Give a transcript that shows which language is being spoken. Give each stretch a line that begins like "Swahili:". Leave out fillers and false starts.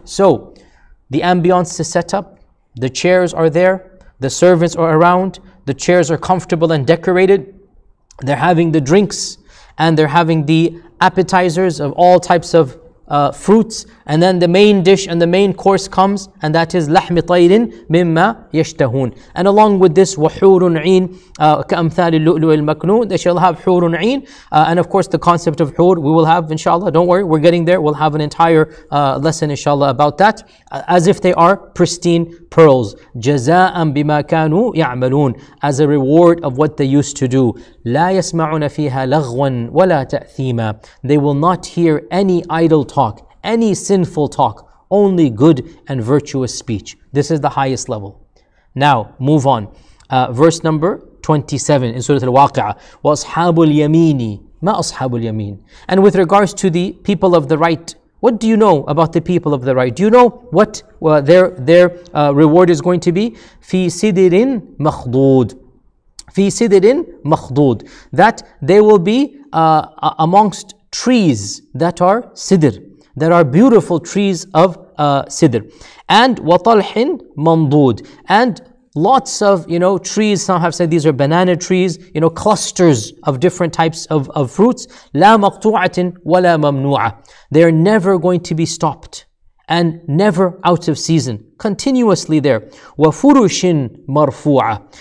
English: So the ambience is set up, the chairs are there, the servants are around, the chairs are comfortable and decorated, they're having the drinks, and they're having the appetizers of all types of fruits, and then the main dish and the main course comes, and that is
Arabic: لحم طير مما يشتهون.
English: And along with this,
Arabic: وحور عين كأمثال اللؤلؤ المكنون.
English: They shall have حور عين, and of course the concept of حور we will have, inshallah. Don't worry, we're getting there. We'll have an entire lesson, inshallah, about that, as if they are pristine pearls.
Arabic: جزاء بما كانوا يعملون,
English: as a reward of what they used to do.
Arabic: لا يسمعون فيها لغوا ولا تأثيما.
English: They will not hear any idle talk, any sinful talk, only good and virtuous speech. This is the highest level. Now, move on. Verse number 27 in Surah Al-Waqi'ah.
Arabic: وَأَصْحَابُ الْيَمِينِ مَا أَصْحَابُ الْيَمِينِ.
English: And with regards to the people of the right, what do you know about the people of the right? Do you know what their reward is going to be?
Arabic: فِي سِدِرٍ مَخْضُودٍ. فِي سِدِرٍ مَخْضُودٍ.
English: That they will be amongst trees that are sidr, that are beautiful trees of sidr.
Arabic: And وَطَلْحٍ مَنْضُودٍ.
English: And lots of, you know, trees. Some have said these are banana trees, you know, clusters of different types of fruits.
Arabic: لَا مَقْطُوعَةٍ وَلَا مَمْنُوعَةٍ.
English: They are never going to be stopped and never out of season, continuously there.
Arabic: وَفُرُشٍ مَرْفُوعَةٍ.